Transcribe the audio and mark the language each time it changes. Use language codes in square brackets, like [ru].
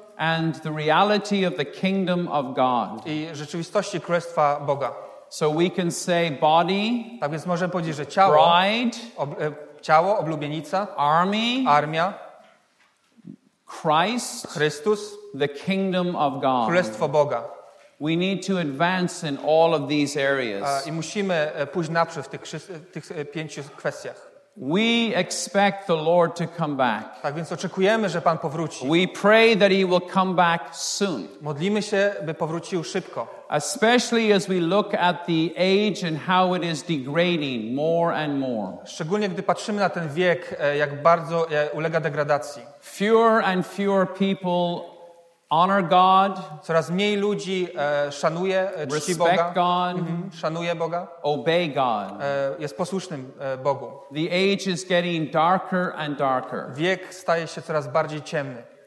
[en] And the reality of the kingdom of God. [pl] I rzeczywistości Królestwa Boga. [en] So we can say body. [pl] Tak więc możemy powiedzieć, że ciało. [en] Bride. [pl] Ciało, oblubienica. [en] Army. [pl] Armia. [en] Christ. [pl] Chrystus. [en] The kingdom of God. [pl] Królestwo Boga. [en] We need to advance in all of these areas. [pl] I musimy pójść naprzód w tych pięciu kwestiach. [en] We expect the Lord to come back. [pl] Tak więc oczekujemy, że Pan powróci. [en] We pray that He will come back soon. [pl] Modlimy się, by powrócił szybko. [en] Especially as we look at the age and how it is degrading more and more. [pl] Szczególnie gdy patrzymy na ten wiek, jak bardzo ulega degradacji. [en] Fewer and fewer people honor God. [pl] Coraz mniej ludzi szanuje, czci Boga. [en] Respect God. [pl] Szanuje Boga. [en] Obey God. [pl] Jest posłusznym Bogu. [en] The age is getting darker and darker. [pl] Wiek staje się coraz bardziej ciemny.